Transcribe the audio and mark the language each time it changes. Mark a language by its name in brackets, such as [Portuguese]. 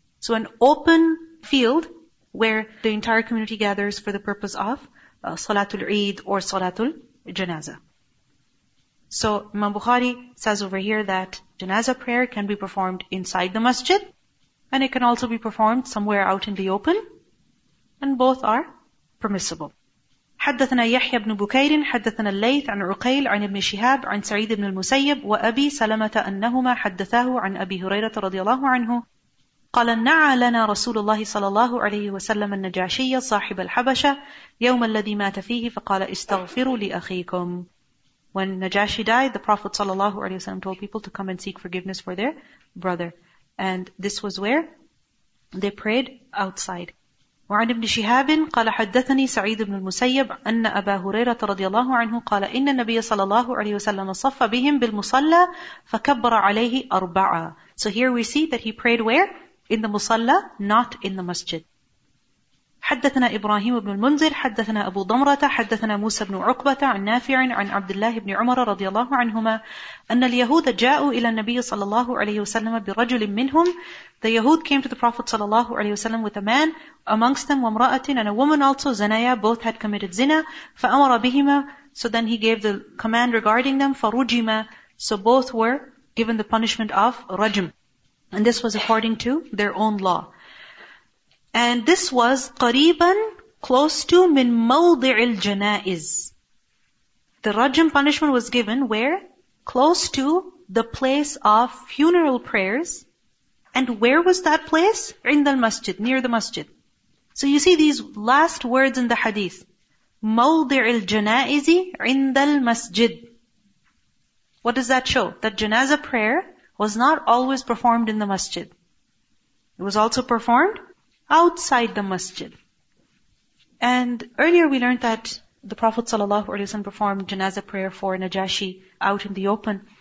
[English] So an open field where the entire community gathers for the purpose of Salatul Eid or Salatul Janazah. So Imam Bukhari says over here that Janazah prayer can be performed inside the masjid, and it can also be performed somewhere out in the open, and both are permissible. [Arabic] حدثنا يحيى بن بكير حدثنا الليث عن عقيل عن ابن شهاب عن سعيد بن المسيب وأبي سلمة أنهما حدثاه عن أبي هريرة رضي الله عنه قال نعى لنا رسول الله صلى الله عليه وسلم النجاشي صاحب الحبشة يوم الذي مات فيه فقال استغفروا لأخيكم. [English] When Najashi died, the Prophet sallallahu alaihi wasallam told people to come and seek forgiveness for their brother. And this was where they prayed outside. [Arabic] وعن ابن شهاب قال حدثني سعيد بن المسيب أن أبا هريرة رضي الله عنه قال إن النبي صلى الله عليه وسلم صف بهم بالمصلى فكبر عليه أربعة. [English] So here we see that he prayed where? In the musalla, not in the masjid. [Arabic] حدثنا إبراهيم بن المنذر حدثنا أبو ضمرة حدثنا موسى بن عقبة عن نافع عن عبد الله بن عمر رضي الله عنهما أن اليهود جاءوا إلى النبي صلى الله عليه وسلم برجل منهم. [English] The Yahud came to the Prophet صلى الله عليه وسلم with a man amongst them, [Arabic] وامرأة, [English] and a woman also, [Arabic] زنايا, [English] both had committed zina. [Arabic] فأمر بهما, [English] so then he gave the command regarding them, [Arabic] فرجما, [English] so both were given the punishment of رجم, and this was according to their own law. And this was [Arabic] قريباً, [English] close to, [Arabic] من موضع الجنائز. [English] The رجم punishment was given where? Close to the place of funeral prayers. And where was that place? [Arabic] عند المسجد, [English] near the masjid. So you see these last words in the hadith. [Arabic] موضع الجنائز عند المسجد. [English] What does that show? That janazah prayer was not always performed in the masjid. It was also performed outside the masjid. And earlier we learned that the Prophet ﷺ performed janazah prayer for Najashi out in the open.